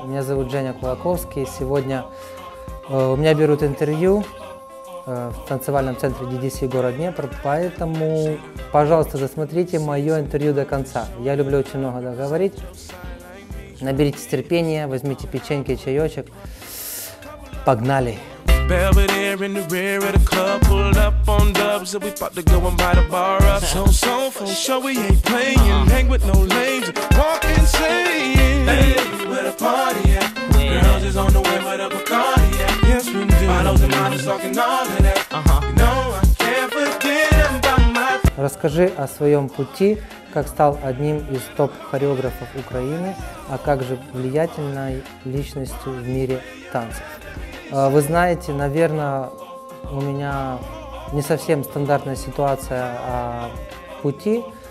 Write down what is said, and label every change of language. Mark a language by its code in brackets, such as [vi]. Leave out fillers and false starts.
[ru] Меня зовут Женя Кулаковский. Сегодня у меня берут интервью в танцевальном центре DDC город Днепр, поэтому, пожалуйста, засмотрите мое интервью до конца. Я люблю очень много говорить. Наберитесь терпения, возьмите печеньки, чаечек. Погнали! [en] Belvedere in the rear of the club, pulled up on dubs, and we about to go and buy the bar up. So, so, for sure we ain't playing, hang with no lames, walk insane. Baby, where the party at? Girls is on the way for the Bacardi, yeah. Yes, we do. Bottles and models talking all of that. You know I can't forget about my... [ru] Расскажи о своем пути. Как стал одним из топ-хореографов Украины, а также влиятельной личностью в мире танцев. Вы знаете, наверное, у меня не совсем стандартная ситуация о пути.